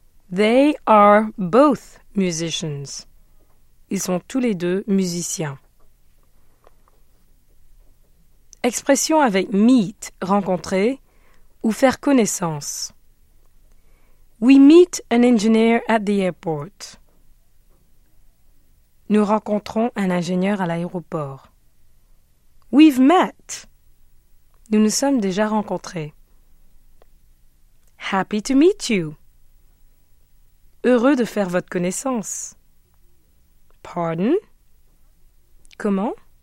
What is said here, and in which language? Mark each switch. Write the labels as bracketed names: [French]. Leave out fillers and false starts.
[English] They are both musicians. [French] Ils sont tous les deux musiciens. Expression avec meet, rencontrer, ou faire connaissance. [English] We meet an engineer at the airport. [French] Nous rencontrons un ingénieur à l'aéroport. [English] We've met. [French] Nous nous sommes déjà rencontrés. [English] Happy to meet you. [French] Heureux de faire votre connaissance. Pardon? Comment?